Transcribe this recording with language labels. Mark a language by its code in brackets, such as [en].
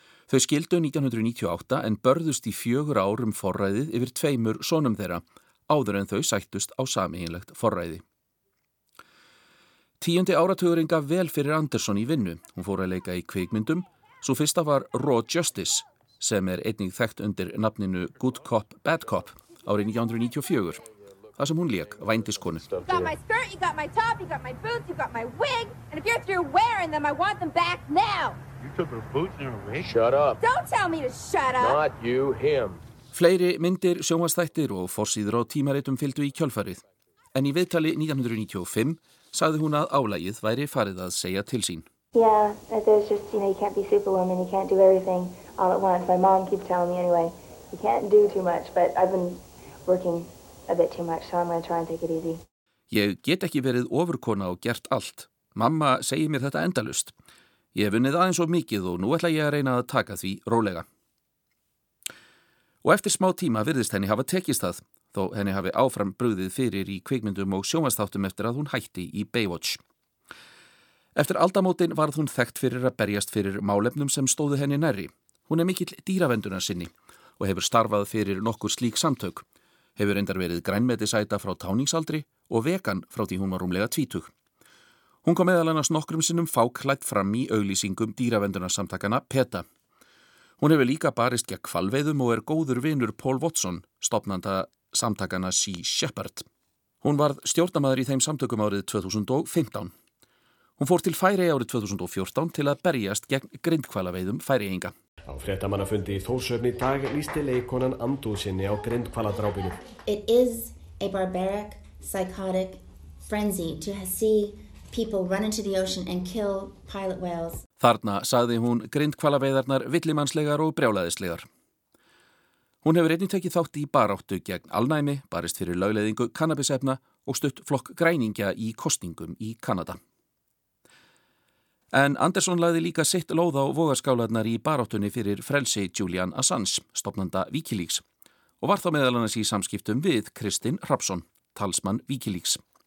[is] Þau skildu 1998 en börðust í 4 ár forræðið yfir 2 sonum þeirra áður en þau sættust á sameiginlegt forræði. 10. áratugurinn gaf vel fyrir Anderson í vinnu. Hún fór að leika í kvikmyndum. Svo fyrsta var Raw Justice, sem einnig þekkt undir nafninu Good Cop, Bad Cop, árið 1994. Það sem hún lék, vændiskonu. [en] You got my skirt, you got my top, you got my boots, you got my wig, and if you're through wearing them, I want them back now. You took her boots and her wig? Shut up. Don't tell me to shut up. Not you, him. [is] Fleiri myndir, sjónvarpsþættir og forsíður á tímaritum fylgdu í kjölfarið. En í viðtali 1995 sagði hún að álagið væri farið að segja til sín. [en] Yeah, there's just, you know, you can't be superwoman, you can't do everything all at once. My mom keeps telling me anyway, you can't do too much, but I've been working a bit too much, so I'm going to try and take it easy. [is] Ég get ekki verið ofurkona og gert allt. Mamma segir mér þetta endalaust. Ég hef unnið aðeins og mikið og nú ætla ég að reyna að taka því rólega. Og eftir smá tíma virðist henni hafa tekist það, þó henni hafi áfram brugðið fyrir í kvikmyndum og sjónvarpsþáttum eftir að hún hætti í Baywatch. Eftir aldamótin varð hún þekkt fyrir að berjast fyrir málefnum sem stóðu henni nærri. Hún er mikill dýravendunar sinni og hefur starfað fyrir nokkur slík samtök, hefur reyndar verið grænmetisæta frá táningsaldri og vegan frá því hún var rúmlega tvítug. Hún kom meðal annars nokkrum sinnum fáklætt fram í auglýsingum dýravendunarsamtakana PETA. Hún hefur líka barist gegn hvalveiðum og er góður vinur Paul Watson, stofnanda samtakana Sea Shepherd. Hún varð stjórnarmaður í þeim samtökum árið 2015. Hún fór til Færeyja árið 2014 til að berjast gegn grindhvalaveiðum Færeyinga. Á fréttamannafundi í Þórshöfn í dag lýsti leikkonan andúð sinni á grindhvaladrápinu. [en] It is a barbaric, psychotic frenzy to see people run into the ocean and kill pilot whales. [is] Þarna sagði hún grindhvalaveiðarnar villimannslegar og brjálæðislegar. Hún hefur einnig tekið þátt í baráttu gegn alnæmi, barist fyrir lögleiðingu kannabisefna og stutt flokk græningja í kostningum í Kanada. En Anderson lagði líka sitt lóð á vogaskálarnar í baráttunni fyrir frelsi Julian Assange, stofnanda Wikileaks, og var þá meðal annars í samskiptum við Kristinn Hrafnsson, talsmann Wikileaks.